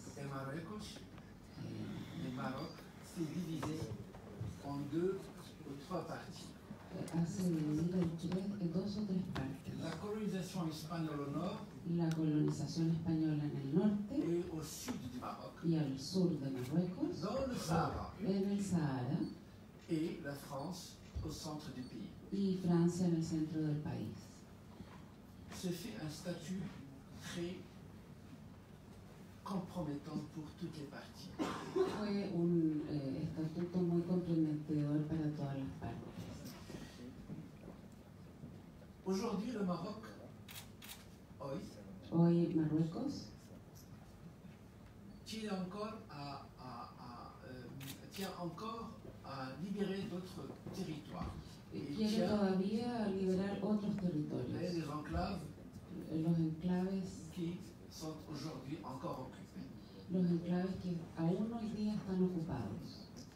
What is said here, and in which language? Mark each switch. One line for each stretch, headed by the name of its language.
French: Et Marruecos, le Maroc, s'est divisé en deux ou trois parties. La colonisation espagnole au nord.
Spanish: La colonización española en el norte
French: et au sud du Maroc.
Spanish: Y al sur de Marruecos.
French: Dans le Sahara.
Spanish: En el Sahara.
French: Et la France au centre du pays.
Spanish: Y Francia en el centro del país.
French: Se fait un statut très compromettant pour toutes les parties.
Spanish: Fue un estatuto muy comprometedor para todas las partes.
French: Aujourd'hui, le Maroc,
Spanish: hoy Marruecos, tiene
French: encore à libérer d'autres territoires.
Spanish: Quiere todavía liberar otros territorios.
French: Les enclaves,
Spanish: los enclaves
French: qui sont aujourd'hui encore occupés.
Spanish: Los enclaves que aún hoy día están ocupados.